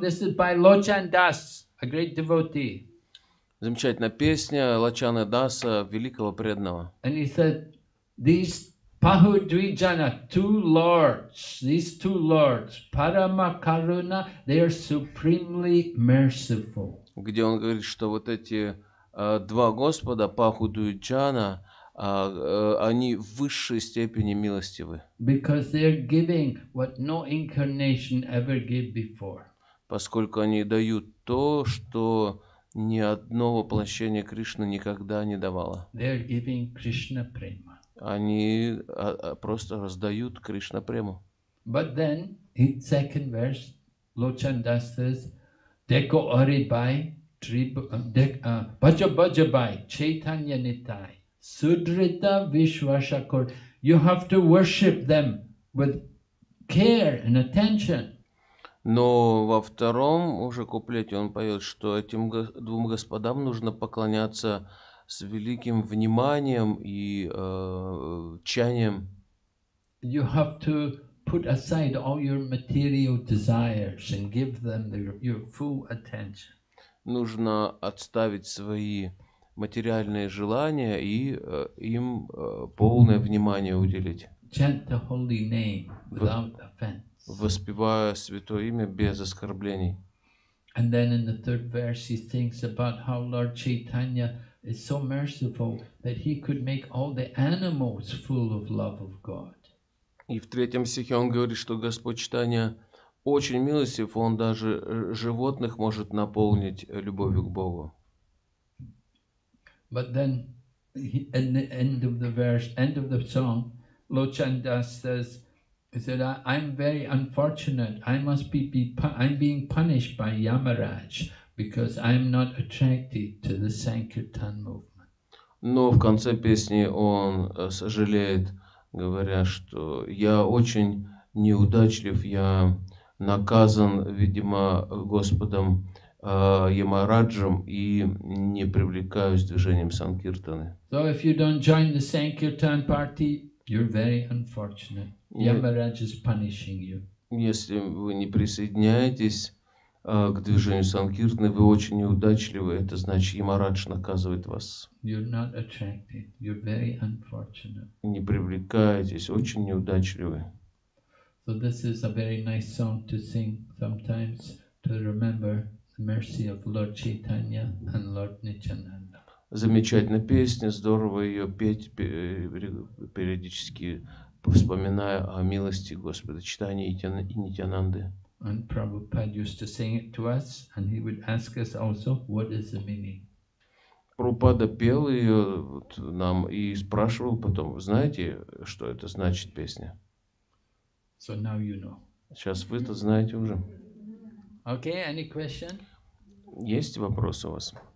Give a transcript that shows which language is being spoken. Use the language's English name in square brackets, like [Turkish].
[English] This is by Lochan Das, a great devotee. [Russian] Замечательная песня Лочана Даса, великого преданного. [English] And he said, these Pahudvijana, two lords, Paramakaruna, they are supremely merciful. [Russian] Где он говорит, что вот эти два господа, Пахудвиджана, они в высшей степени милостивы. [English] Because they're giving what no incarnation ever gave before. [Russian] Поскольку они дают то, что ни одно воплощение Кришны никогда не давало. [English] They're giving Krishna prema. [Russian] Они просто раздают Кришна прему. [English] But then, in second verse, Lochan Das says, Deko Aribai, Bajabajabai, Chaitanya Nitai. Sudrita Vishwasakur. You have to worship them with care and attention. [Russian] Но во втором уже куплете он поет, что этим двум господам нужно поклоняться с великим вниманием и чаянием. [English] You have to put aside all your material desires and give them your full attention. [Russian] Нужно отставить свои материальные желания и им полное внимание уделить. [English] Chant the holy name without offense. [Russian] Воспевая святое имя без оскорблений. [English] And then in the third verse he thinks about how Lord Chaitanya is so merciful that he could make all the animals full of love of God. [Russian] И в третьем стихе он говорит, что Господь Чайтанья очень милостив, он даже животных может наполнить любовью к Богу. [English] But then, in the end of the verse, end of the song, Lochan Das says, "He said, I'm very unfortunate. I must I'm being punished by Yamaraj because I'm not attracted to the Sankirtan movement." [Russian] Но в конце песни он сожалеет, говоря, что я очень неудачлив, я наказан, видимо, Господом Ямараджам и не привлекаюсь движением Санкиртаны. [English] So if you don't join the Sankirtan party, you're very unfortunate. Yamaraj is punishing you. [Russian] Если вы не присоединяетесь к движению Санкиртаны, вы очень неудачливы, это значит Ямарадж наказывает вас. [English] You're not attracted. You're very unfortunate. [Russian] Не привлекаетесь, очень неудачливы. [English] So this is a very nice song to sing sometimes to remember the mercy of Lord Chaitanya and Lord Nityananda. [Russian] Замечательная песня, здорово ее петь, периодически вспоминая о милости Господа Чайтаньи и Нитьянанды. [English] And Prabhupada used to sing it to us, and he would ask us also, what is the meaning? [Russian] Прабхупада пел ее вот нам и спрашивал потом, знаете, что это значит песня? [English] So now you know. [Russian] Сейчас вы это знаете уже. [English] Okay, any question? [Russian] Есть вопрос у вас?